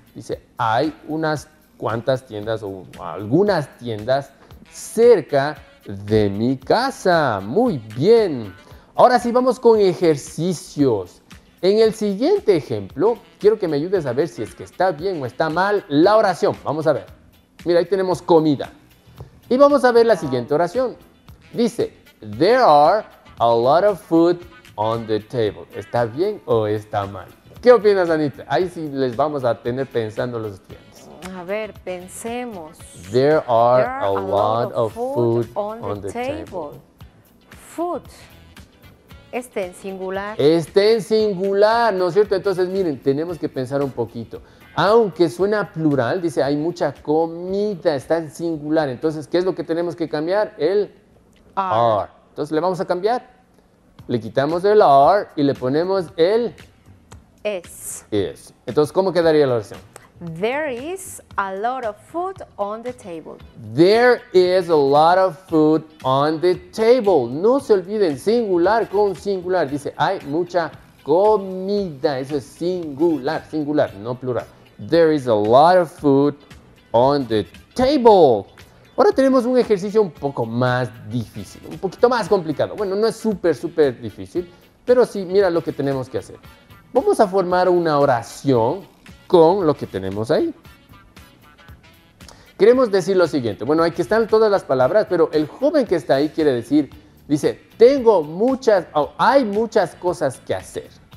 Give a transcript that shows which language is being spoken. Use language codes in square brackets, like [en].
[es] Dice, hay unas cuantas tiendas o algunas tiendas cerca de mi casa. Muy bien. Ahora sí, vamos con ejercicios. En el siguiente ejemplo, quiero que me ayudes a ver si es que está bien o está mal la oración. Vamos a ver. Mira, ahí tenemos comida. Y vamos a ver la siguiente oración. [en] Dice, there are a lot of food on the table. [es] ¿Está bien o está mal? ¿Qué opinas, Anita? Ahí sí les vamos a tener pensando los estudiantes. A ver, pensemos. [en] There are a lot of food on the table. [es] Food. Este en singular. Este en singular, ¿no es cierto? Entonces, miren, tenemos que pensar un poquito. Aunque suena plural, dice, hay mucha comida, está en singular. Entonces, ¿qué es lo que tenemos que cambiar? El [en] are. [es] Entonces, le vamos a cambiar. Le quitamos el are y le ponemos el [en] is. [es] Entonces, ¿cómo quedaría la oración? [en] There is a lot of food on the table. There is a lot of food on the table. [es] No se olviden, singular con singular. Dice, hay mucha comida. Eso es singular, singular, no plural. [en] There is a lot of food on the table. [es] Ahora tenemos un ejercicio un poco más difícil, un poquito más complicado. Bueno, no es súper, súper difícil, pero sí, mira lo que tenemos que hacer. Vamos a formar una oración con lo que tenemos ahí. Queremos decir lo siguiente. Bueno, aquí están todas las palabras, pero el joven que está ahí quiere decir, dice, tengo muchas, hay muchas cosas que hacer.